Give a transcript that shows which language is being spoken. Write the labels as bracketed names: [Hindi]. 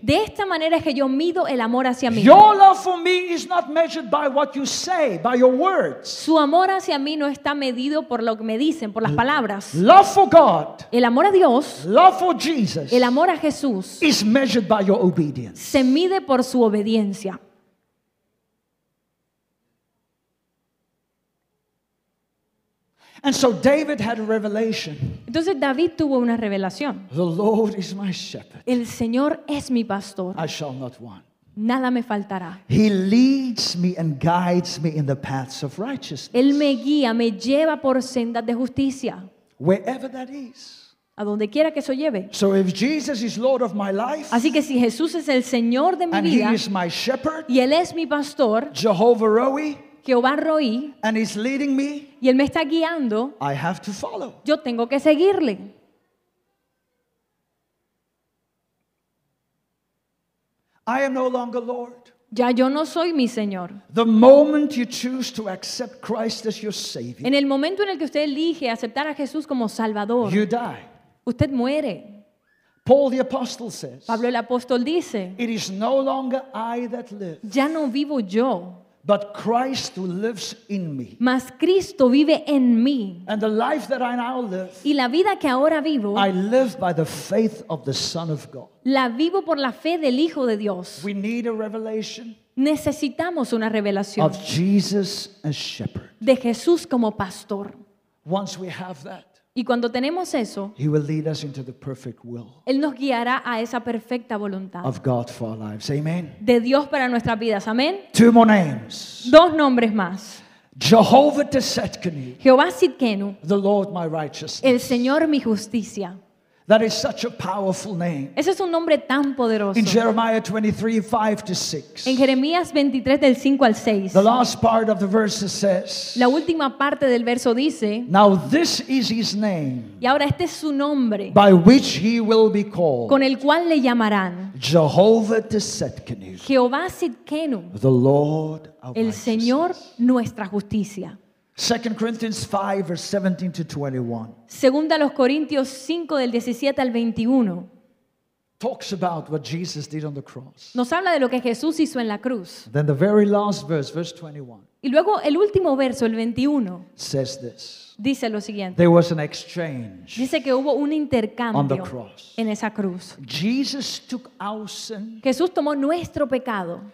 [Spanish] De esta manera es que yo mido el amor hacia mí. [English] Your love for me is not measured by what you say, by your words. [Spanish] Su amor hacia mí no está medido por lo que me dicen, por las palabras. [English] Love for God. [Spanish] El amor a Dios. [English] Love for Jesus. [Spanish] El amor a Jesús. [English] Is measured by your obedience. [Spanish] Se mide por su obediencia. [English] And so David had a revelation. [Spanish] Entonces David tuvo una revelación. [English] The Lord is my shepherd. [Spanish] El Señor es mi pastor. [English] I shall not want. [Spanish] Nada me faltará. [English] He leads me and guides me in the paths of righteousness. [Spanish] Él me guía, me lleva por sendas de justicia. [English] Wherever that is. [Spanish] A donde quiera que eso lleve. [English] So if Jesus is Lord of my life. [Spanish] Así que si Jesús es el Señor de mi [English] and [Spanish] vida. [English] And he is my shepherd. [Spanish] Y él es mi pastor. [English] Jehovah Rohi. [Spanish] Jehová Roí, [English] and he's leading me, [Spanish] y él me está guiando, [English] I have to follow. [Spanish] Yo tengo que seguirle. [English] I am no longer Lord. [Spanish] Ya yo no soy mi Señor. [English] The moment you choose to accept Christ as your Savior, [Spanish] en el momento en el que usted elige aceptar a Jesús como Salvador, [English] you die. [Spanish] Usted muere. [English] Paul the Apostle says, [Spanish] Pablo el apóstol dice, [English] it is no longer I that live. [Spanish] Ya no vivo yo. [English] But Christ who lives in me. [Spanish] Mas Cristo vive en mí. [English] And the life that I now live. [Spanish] Y la vida que ahora vivo. [English] I live by the faith of the Son of God. [Spanish] La vivo por la fe del Hijo de Dios. [English] We need a revelation. [Spanish] Necesitamos una revelación. [English] Of Jesus as shepherd. [Spanish] De Jesús como pastor. [English] Once we have that. [Spanish] Y cuando tenemos eso. [English] He will lead us into the perfect will. [Spanish] Él nos guiará a esa perfecta voluntad. [English] Of God for our lives. Amen. [Spanish] De Dios para nuestras vidas. Amén. [English] Two more names. [Spanish] Dos nombres más. [English] Jehovah Tsidkenu. [Spanish] Jehová Tsidkenu. [English] The Lord my righteousness. [Spanish] El Señor mi justicia. [English] That is such a powerful name. [Spanish] Ese es un nombre tan poderoso. [English] In Jeremiah 23, 5-6. [Spanish] En Jeremías 23, del 5 al 6. [English] The last part of the verse says. [Spanish] La última parte del verso dice. [English] Now this is his name. [Spanish] Y ahora este es su nombre. [English] By which he will be called. [Spanish] Con el cual le llamarán. [English] Jehovah Tsidkenu. [Spanish] Jehová Tsidkenu. [English] The Lord of righteousness. [Spanish] El Señor nuestra justicia. [English] 2 Corinthians 5, verse 17-21. [Spanish] Segunda a los Corintios 5, del 17 al 21. [English] Talks about what Jesus did on the cross. [Spanish] Nos habla de lo que Jesús hizo en la cruz. [English] Then the very last verse, verse 21. [Spanish] Y luego el último verso, el 21. [English] Says this. [Spanish] Dice lo siguiente. [English] There was an exchange. [Spanish] Dice que hubo un intercambio. [English] On the cross. [Spanish] En esa cruz. [English] Jesus took our sin. [Spanish] Jesús tomó nuestro pecado.